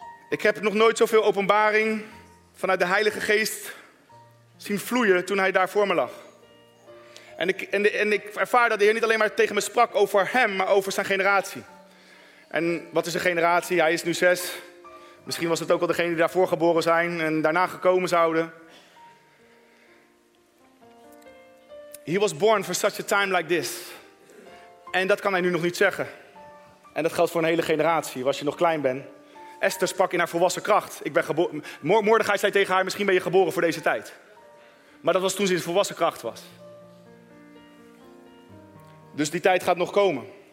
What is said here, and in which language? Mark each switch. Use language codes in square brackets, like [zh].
[nl] Ik heb nog nooit zoveel openbaring vanuit de Heilige Geest zien vloeien toen hij daar voor me lag. En ik ervaar dat de Heer niet alleen maar tegen me sprak over hem, maar over zijn generatie. En wat is een generatie? Hij is nu 6. Misschien was het ook al degene die daarvoor geboren zijn en daarna gekomen zouden. [en] He was born for such a time like this. [nl] En dat kan hij nu nog niet zeggen. En dat geldt voor een hele generatie, als je nog klein bent. Esther sprak in haar volwassen kracht. Mordechai zei tegen haar, misschien ben je geboren voor deze tijd. Maar dat was toen ze in volwassen kracht was. Dus die tijd gaat nog komen.